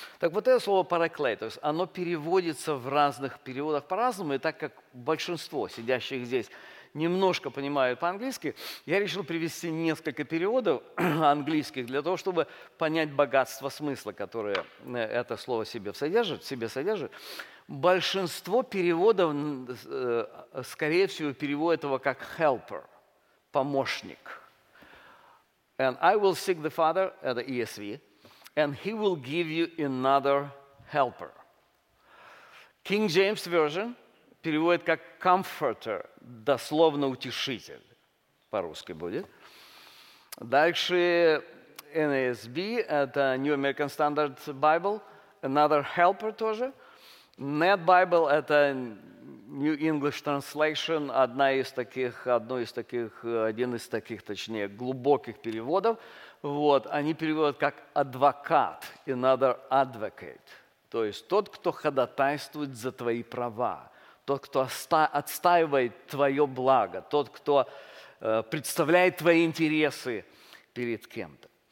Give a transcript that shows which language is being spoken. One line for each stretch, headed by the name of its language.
Russian: Так вот это слово «параклетос», оно переводится в разных переводах по-разному, и так как большинство сидящих здесь немножко понимают по-английски, я решил привести несколько переводов английских для того, чтобы понять богатство смысла, которое это слово в себе содержит. Большинство переводов, скорее всего, переводят его как «helper», «помощник».
English: And I will seek the Father at the ESV, and He will give you another helper.
Russian: King James Version переводит как comforter, дословно утешитель, по-русски будет. Дальше NASB, это New American Standard Bible, another helper тоже. NET Bible, это New English Translation, один из таких, глубоких переводов, вот, они переводят как адвокат, another advocate, то есть тот, кто ходатайствует за твои права, тот, кто отстаивает твое благо, тот, кто представляет твои интересы перед кем-то.